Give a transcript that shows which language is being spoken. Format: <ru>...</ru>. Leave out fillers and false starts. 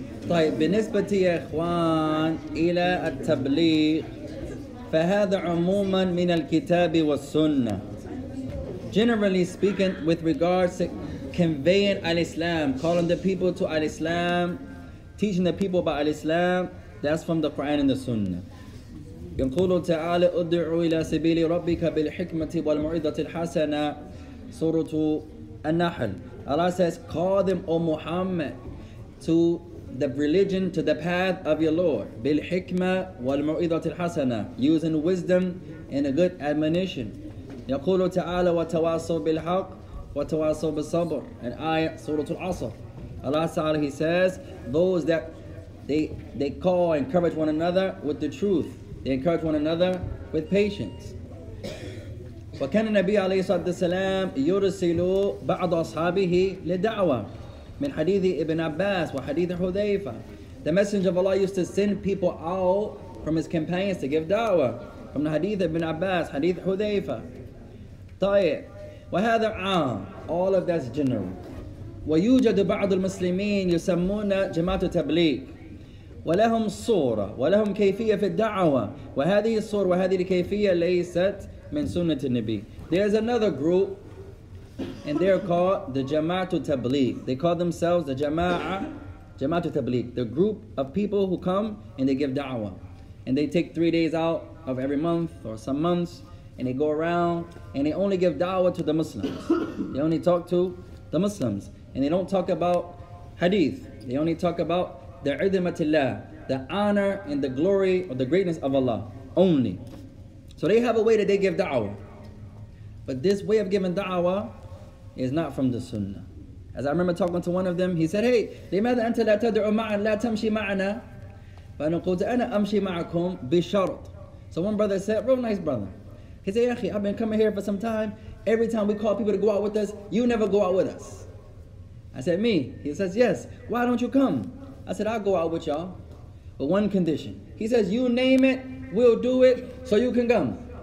<ar>طيب بالنسبة يا إخوان إلى التبليغ فهذا عموما من الكتاب والسنة.</ar> <en>Generally speaking, with regards to conveying al-Islam, calling the people to al-Islam, teaching the people about al-Islam, that's from the Quran and the Sunnah.</en> <ar>يقول تعالى ادعوا إلى سبيل ربك بالحكمة والموعظة الحسنة سورة النحل.</ar> <en>Allah says, call them, O Muhammad, to the religion, to the path of your Lord.</en> <ar>بالحكمة والموعظة الحسنة,</ar> <en>using wisdom and a good admonition.</en> <ar>يقول تعالى وتواصوا بالحق وتواصوا بالصبر.</ar> <en>An ayah, سورة العصر. Allah تعالى, He says, those that they call and encourage one another with the truth. They encourage one another with patience.</en> <ar>وكان النبي عليه الصلاة والسلام يرسل بعض أصحابه للدعوة من حديث ابن عباس وحديث حذيفة.</ar> <en>The messenger of Allah used to send people out from his companions to give da'wah from the hadith ibn Abbas, hadith حذيفة.</en> <ar>طيب وهذا عام,</ar> <en>all of that's general.</en> <ar>ويوجد بعض المسلمين يسمون جماعة تبليغ ولهم صورة ولهم كيفية في الدعوة وهذه الصورة وهذه الكيفية ليست من سنة النبي.</ar> <en>There's another group and they're called the جماعة تبليغ. They call themselves the جماعة, جماعة تبليغ. The group of people who come and they give دعوة. And they take 3 days out of every month or some months and they go around and they only give da'wah to the Muslims. They only talk to the Muslims. And they don't talk about hadith. They only talk about the idhmatillah, the honor and the glory or the greatness of Allah only. So they have a way that they give da'wah. But this way of giving da'wah is not from the sunnah. As I remember talking to one of them, he said, hey,</en> <ar>لماذا أنت لا تدعو معنا لا تمشي معنا؟ فأنا قلت أنا أمشي معكم بشرط.</ar> <en>So one brother said, real nice brother. He said, Yachi, I've been coming here for some time. Every time we call people to go out with us, you never go out with us. I said, me? He says, yes. Why don't you come? I said, I'll go out with y'all. But one condition. He says, you name it, we'll do it, so you can come.</en>